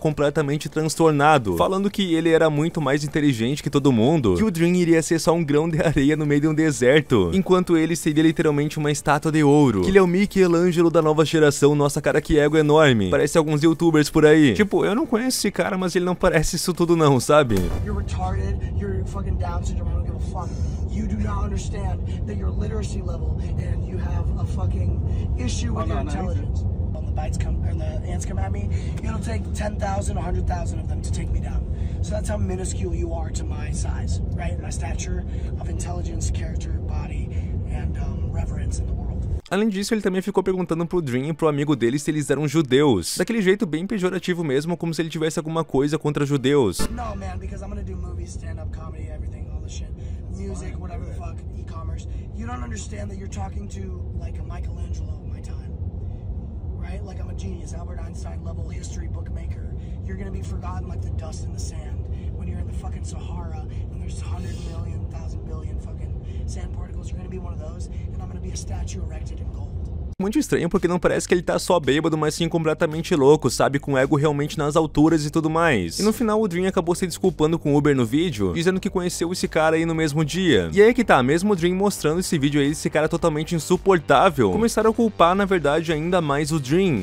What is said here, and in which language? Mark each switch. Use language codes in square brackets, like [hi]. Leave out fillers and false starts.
[pt] completamente transtornado, falando que ele era muito mais inteligente que todo mundo, que o Dream iria ser só um grão de areia no meio de um deserto, enquanto ele seria literalmente uma estátua de ouro. Que ele é o Michelangelo da nova geração, nossa cara que ego enorme. Parece alguns youtubers por aí. Tipo, eu não conheço esse cara, mas ele não parece isso tudo não, sabe? [en] You're retarded, you're fucking down syndrome, I don't give a fuck. You do not understand that your literacy level and you have a fucking issue with your intelligence. When the bites come, or the ants come at me, it'll take 10,000, 100,000 of them to take me down. So that's how minuscule you are to my size, right? My stature of intelligence, character, body, and reverence in the world. [pt] Além disso, ele também ficou perguntando pro Dream e pro amigo dele se eles eram judeus. Daquele jeito bem pejorativo mesmo, como se ele tivesse alguma coisa contra judeus. Não, mano, porque eu vou fazer filmes, stand-up, comedy, tudo isso, [en] shit. Music, whatever the fuck, e-commerce. You don't understand that you're talking to, like, a Michelangelo of my time. Right? Like, I'm a genius, Albert Einstein level history bookmaker. You're gonna be forgotten like the dust in the sand when you're in the fucking Sahara and there's 100 million, 1,000 billion fucking sand particles. You're gonna be one of those and I'm gonna be a statue erected in gold. [pt] Muito estranho, porque não parece que ele tá só bêbado, mas sim completamente louco, sabe? Com o ego realmente nas alturas e tudo mais. E no final, o Dream acabou se desculpando com o Uber no vídeo, dizendo que conheceu esse cara aí no mesmo dia. E aí que tá, mesmo o Dream mostrando esse vídeo aí, esse cara totalmente insuportável, começaram a culpar, na verdade, ainda mais o Dream.